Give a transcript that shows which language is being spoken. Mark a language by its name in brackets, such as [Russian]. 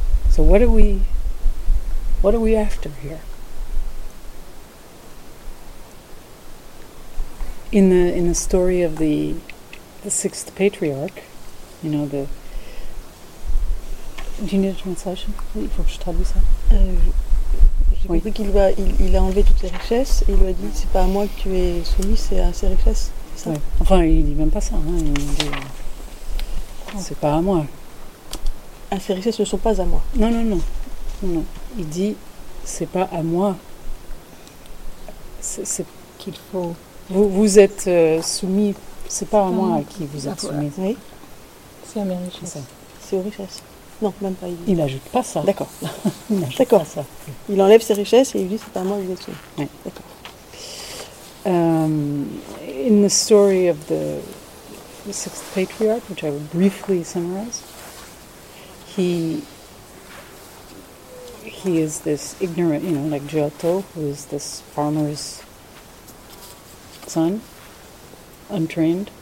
[English] So what are we after here? In the story of the sixth patriarch, you know, the... Do you need a translation? [French] Il faut que je traduise ça. J'ai compris qu'il va, il a enlevé toutes les richesses et il lui a dit, c'est pas à moi que tu es soumis, c'est à ses richesses. Ça. Ouais. Enfin, il dit même pas ça. Hein. Il dit, c'est pas à moi. Ah, ses richesses ne sont pas à moi. Non, non, non, non. Il dit, c'est pas à moi. C'est qu'il faut... Vous êtes soumis, c'est pas à moi à qui vous êtes soumis. Oui. C'est à mes richesses. C'est aux richesses. Non, même pas. Il n'ajoute pas ça. D'accord. Il n'ajoute D'accord. pas ça. Il enlève ses richesses et il dit c'est pas à moi que vous êtes soumis. Oui. D'accord. [English] In the story of the sixth patriarch, which I will briefly summarize, he is this ignorant, you know, like Giotto, who is this farmer's son, untrained.